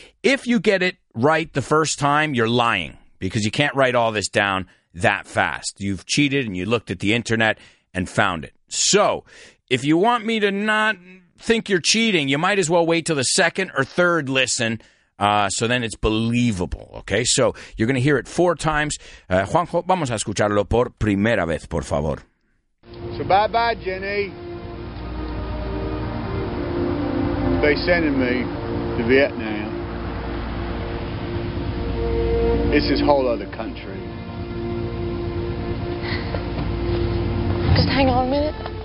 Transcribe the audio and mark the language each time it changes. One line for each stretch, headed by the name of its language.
English: If you get it right the first time, you're lying. Because you can't write all this down that fast. You've cheated and you looked at the internet and found it. So, if you want me to not think you're cheating, you might as well wait till the second or third listen. So then it's believable, okay? So, you're going to hear it 4 times.
Spanish: Juanjo, vamos a escucharlo por primera vez, por favor.
English: So, bye-bye, Jenny. They're sending me to Vietnam. It's this whole other country. Just hang on a minute.